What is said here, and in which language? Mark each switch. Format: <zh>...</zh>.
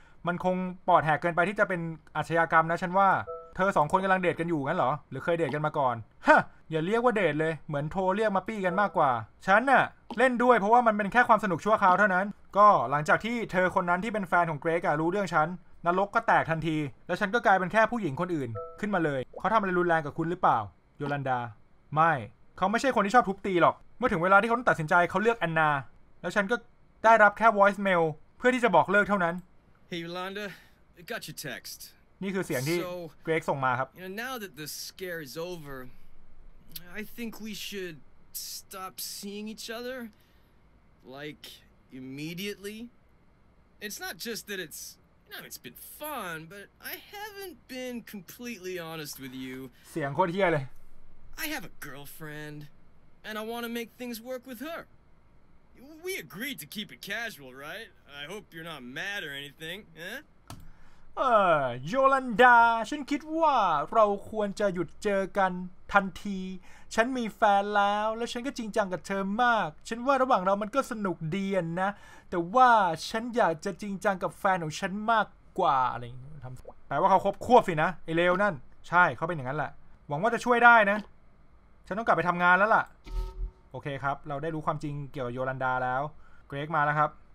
<th>มันคงปอดแหกเกินไปที่จะเป็นอาชญากรรมนะฉันว่าเธอสองคนกำลังเดทกันอยู่งั้นเหรอหรือเคยเดทกันมาก่อนฮะอย่าเรียกว่าเดทเลยเหมือนโทรเรียกมาปี้กันมากกว่าฉันน่ะเล่นด้วยเพราะว่ามันเป็นแค่ความสนุกชั่วคราวเท่านั้นก็หลังจากที่เธอคนนั้นที่เป็นแฟนของเกรกอะรู้เรื่องฉันนรกก็แตกทันทีแล้วฉันก็กลายเป็นแค่ผู้หญิงคนอื่นขึ้นมาเลยเขาทำอะไรรุนแรงกับคุณหรือเปล่าโยลันดาไม่เขาไม่ใช่คนที่ชอบทุบตีหรอกเมื่อถึงเวลาที่เขาต้องตัดสินใจเขาเลือกแอนนาแล้วฉันก็ได้รับแค่ voice mail เพื่อที่จะบอกเลิกเท่านั้น</th> <en>Hey Yolanda I got your text</en> <th>นี่คือเสียงที่เกรกส่งมาครับ</th> <en>You know, now that the scare is over I think we should stop seeing each other like immediately It's not just that it's you know it's been fun but I haven't been completely honest with you</en> <th>เสียงโคตรเหี้ยเลย</th> <en>I have a girlfriend and I want to make things work with her We agreed to keep it casual right I hope you're not mad or anything huh</en> <th>โยลันดาฉันคิดว่าเราควรจะหยุดเจอกันทันทีฉันมีแฟนแล้วและฉันก็จริงจังกับเธอมากฉันว่าระหว่างเรามันก็สนุกดีนะแต่ว่าฉันอยากจะจริงจังกับแฟนของฉันมากกว่าอะไรทำแปลว่าเขาครบควบสินะไอเลวนั่นใช่เขาเป็นอย่างนั้นแหละหวังว่าจะช่วยได้นะฉันต้องกลับไปทำงานแล้วล่ะโอเคครับเราได้รู้ความจริงเกี่ยวกับโยลันดาแล้วเกรกมาแล้วครับ</th>